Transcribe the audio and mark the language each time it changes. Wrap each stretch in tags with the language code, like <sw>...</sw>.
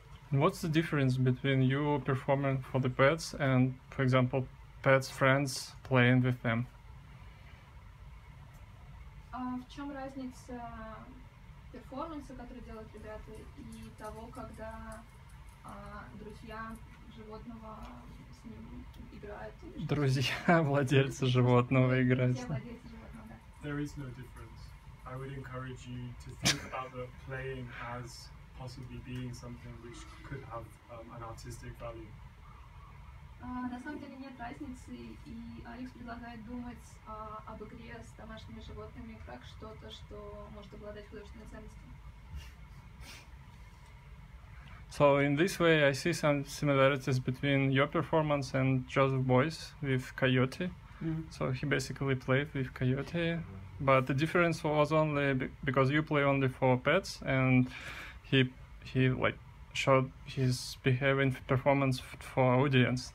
<en>What's the difference between you performing for the pets and, for example, pets' friends playing with them?</en> <ru>В чем разница перформанса, который делают ребята, и того, когда друзья животного с ним играют? Друзья владельца животного играют.</ru> <en>There is no difference. I would encourage you to think about the playing as possibly being something which could have an artistic value.</en> <ru>На самом деле нет разницы, и Алекс предлагает думать об игре с домашними животными как что-то, что может обладать художественной ценностью.</ru> <en>So in this way I see some similarities between your performance and Joseph Boyce with Coyote. Mm-hmm. So he basically played with Coyote, but the difference was only because you play only for pets, and he showed his behavior in performance for audience.</en>